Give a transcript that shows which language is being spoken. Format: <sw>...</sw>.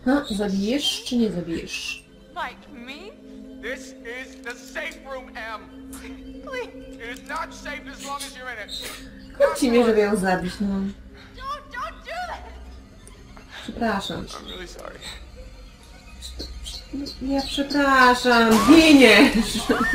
<pl>Zabijesz czy nie zabijesz?</pl> <en>Mike, me? This is the safe room, Em. Please. It is not safe as long as you're in it.</en> <pl>Chodźcie, żeby ją zabić, no.</pl> <en>Don't do that!</en> <pl>Przepraszam.</pl> <en>I'm really sorry.</en> <pl>Ja przepraszam, giniesz!</pl>